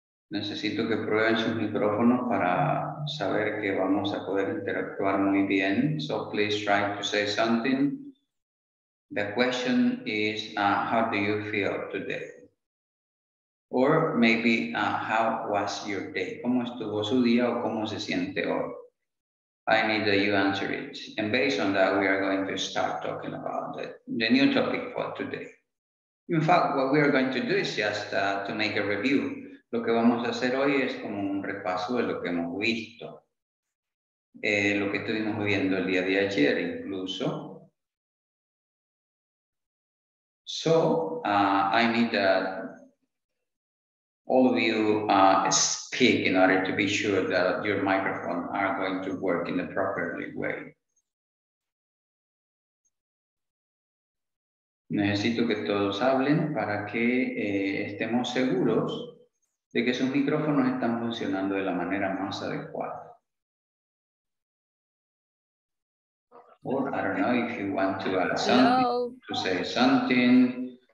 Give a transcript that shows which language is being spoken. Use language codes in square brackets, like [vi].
[es] Necesito que prueben sus micrófonos para saber que vamos a poder interactuar muy bien. [en] So please try to say something. The question is, how do you feel today? Or maybe, how was your day? [es] ¿Cómo estuvo su día o cómo se siente hoy? [en] I need that you answer it. And based on that, we are going to start talking about the new topic for today. In fact, what we are going to do is just to make a review. [es] Lo que vamos a hacer hoy es como un repaso de lo que hemos visto. Lo que estuvimos viendo el día de ayer incluso. [en] So I need all of you speak in order to be sure that your microphone are going to work in the proper way. [es] Necesito que todos hablen para que estemos seguros de que sus micrófonos están funcionando de la manera más adecuada. [en] Or, I don't know if you want to add something, to say something.